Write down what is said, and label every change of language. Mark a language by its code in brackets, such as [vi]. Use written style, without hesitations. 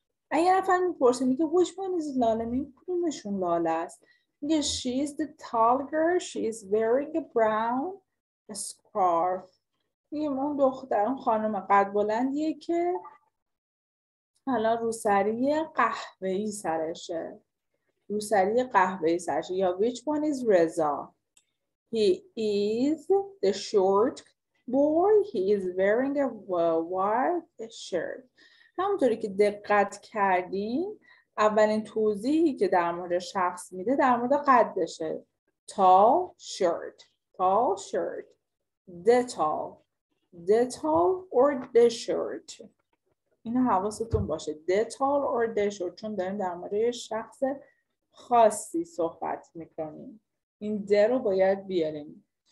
[fa] اگه نفر میپرسه میگه [en] which one is Laleh, [fa] میگه کدومشون لاله است، میگه [en] she is the tall girl, she is wearing a brown scarf. [fa] میگیم اون دختر، اون خانم قد بلندیه که حالا روسری قهوه‌ای سرشه، روسری قهوه‌ای سرشه. [en] یا which one is Reza, he is the short boy, he is wearing a white shirt. [fa] همونطوری که دقت کردین اولین توضیحی که در مورد شخص میده در مورد قدشه، [en] tall short، tall short، the tall، the tall or the short. [fa] این حواستون باشه، [en] the tall or the short، [fa] چون داریم در مورد شخص خاصی صحبت میکنیم، این the رو باید بیاریم.